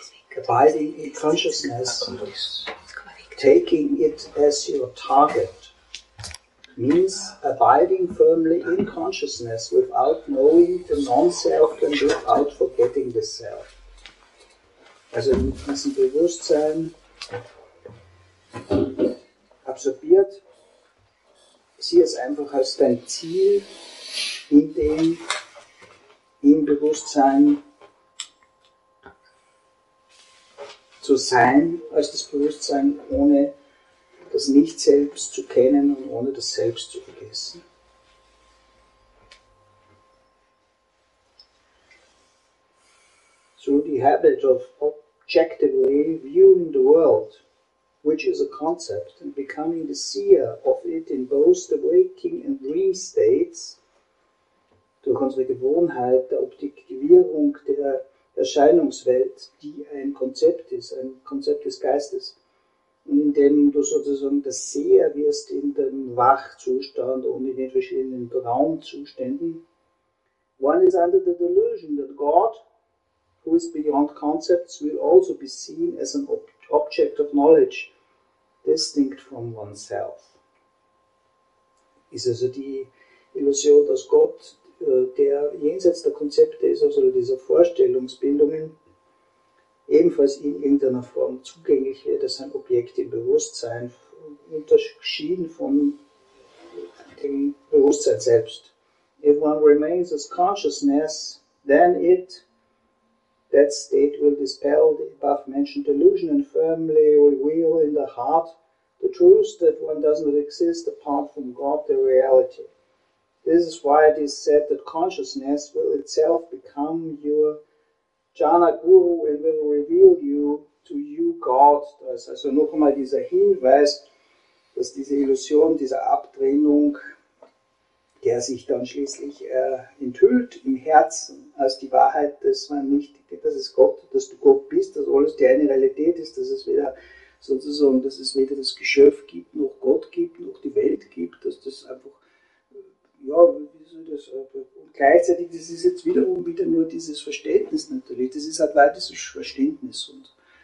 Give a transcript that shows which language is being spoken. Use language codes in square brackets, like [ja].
[en] Providing in consciousness, taking it as your target, means abiding firmly in consciousness without knowing the non-self and without forgetting the self. [de] Also mit diesem Bewusstsein absorbiert, sieh es einfach als dein Ziel, in dem im Bewusstsein zu sein, als das Bewusstsein, ohne das Nicht-Selbst zu kennen und ohne das Selbst zu vergessen. [en] Through the habit of objectively viewing the world, which is a concept, and becoming the seer of it in both the waking and dream states, [de] durch unsere Gewohnheit der Objektivierung der Erscheinungswelt, die ein Konzept ist, ein Konzept des Geistes, indem du sozusagen das Seher wirst in dem Wachzustand und in den verschiedenen Traumzuständen. [en] One is under the delusion that God, who is beyond concepts, will also be seen as an object of knowledge, distinct from oneself. [de] Ist also die Illusion, dass Gott, der jenseits der Konzepte ist, also dieser Vorstellungsbildungen, ebenfalls in irgendeiner Form zugänglich wird, dass ein Objekt im Bewusstsein unterschieden von dem Bewusstsein selbst. [en] If one remains as consciousness, then it, that state will dispel the above mentioned delusion and firmly reveal in the heart the truth that one does not exist apart from God, the reality. This is why it is said that consciousness will itself become your Jhana Guru and will reveal you to you God. [de] Das also noch einmal dieser Hinweis, dass diese Illusion, diese Abtrennung, der sich dann schließlich enthüllt im Herzen als die Wahrheit, dass man nicht, dass es Gott, dass du Gott bist, dass alles die eine Realität ist, dass es weder sozusagen, dass es weder das Geschöpf gibt, noch Gott gibt, noch die Welt gibt, dass das einfach, ja, wie soll das, und gleichzeitig, das ist jetzt wieder nur dieses Verständnis natürlich, das ist advaitisches Verständnis und